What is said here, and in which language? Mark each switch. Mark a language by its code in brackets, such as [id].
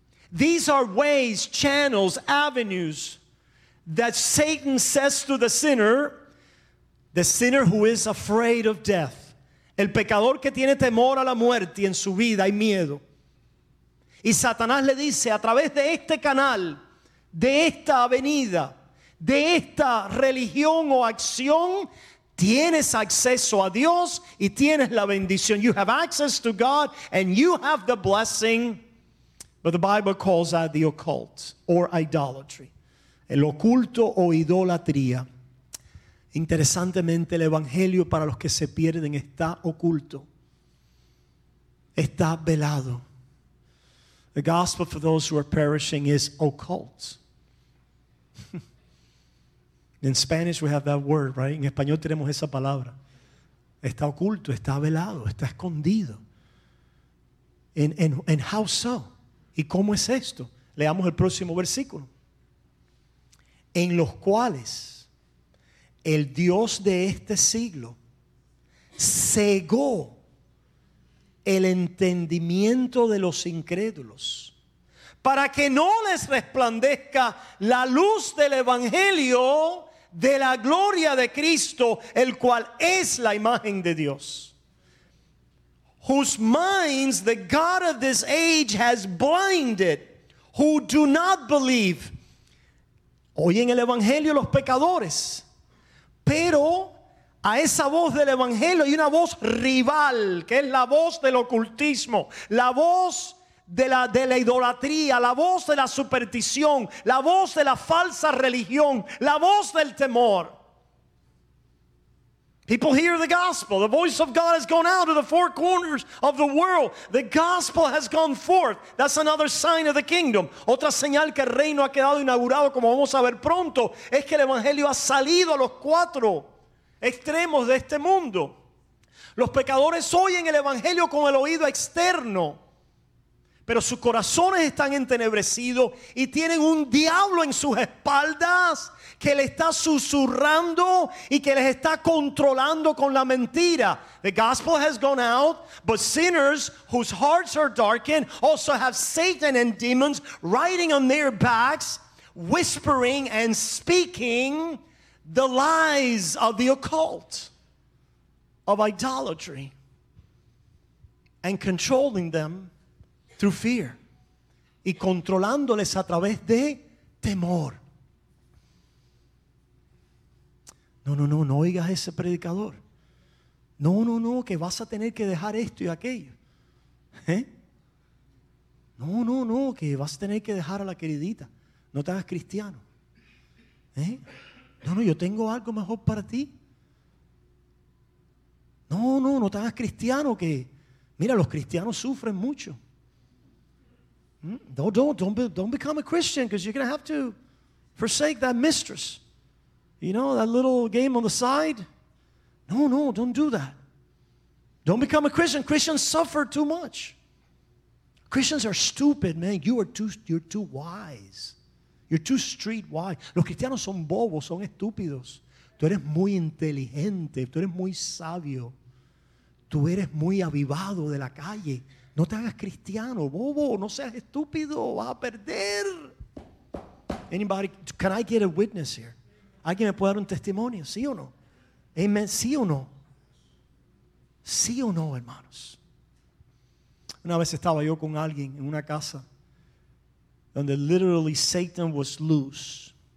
[en] These are ways, channels, avenues that Satan says to the sinner who is afraid of death, [es] el pecador que tiene temor a la muerte y en su vida hay miedo. Y Satanás le dice: a través de este canal, de esta avenida, de esta religión o acción, tienes acceso a Dios y tienes la bendición. [en] You have access to God and you have the blessing. But the Bible calls that the occult or idolatry. [es] El oculto o idolatría. Interesantemente, el evangelio para los que se pierden está oculto. Está velado. [en] The gospel for those who are perishing is occult. In Spanish we have that word, right? [es] En español tenemos esa palabra. Está oculto, está velado, está escondido. [en] And how so? [es] ¿Y cómo es esto? Leamos el próximo versículo. En los cuales el Dios de este siglo cegó el entendimiento de los incrédulos para que no les resplandezca la luz del evangelio de la gloria de Cristo, el cual es la imagen de Dios. [en] Whose minds the God of this age has blinded, who do not believe. [es] Oyen el evangelio los pecadores, pero a esa voz del evangelio hay una voz rival, que es la voz del ocultismo, la voz de la idolatría, la voz de la superstición, la voz de la falsa religión, la voz del temor. [en] People hear the gospel. The voice of God has gone out to the four corners of the world. The gospel has gone forth. That's another sign of the kingdom. [es] Otra señal que el reino ha quedado inaugurado, como vamos a ver pronto, es que el evangelio ha salido a los cuatro extremos de este mundo. Los pecadores oyen el evangelio con el oído externo, pero sus corazones están entenebrecidos y tienen un diablo en sus espaldas que le está susurrando y que les está controlando con la mentira. [en] The gospel has gone out, but sinners whose hearts are darkened also have Satan and demons riding on their backs, whispering and speaking the lies of the occult, of idolatry, and controlling them through fear. [es] Y controlándoles a través de temor. No oigas ese predicador. No, que vas a tener que dejar esto y aquello. No, que vas a tener que dejar a la queridita. No te hagas cristiano. No, yo tengo algo mejor para ti. No te hagas cristiano, que mira, los cristianos sufren mucho. [en] Don't become a Christian because you're going to have to forsake that mistress. You know, that little game on the side. No, don't do that. Don't become a Christian. Christians suffer too much. Christians are stupid, man. You're too wise. You're too street wise. [es] Los cristianos son bobos, son estúpidos. Tú eres muy inteligente. Tú eres muy sabio. Tú eres muy avivado de la calle. No te hagas cristiano, bobo. No seas estúpido. Vas a perder. [en] Anybody, can I get a witness here? [es] ¿Alguien me puede dar un testimonio? ¿Sí o no? Amen. ¿Sí o no? ¿Sí o no, hermanos? Una vez estaba yo con alguien en una casa donde [en] literally Satan was loose.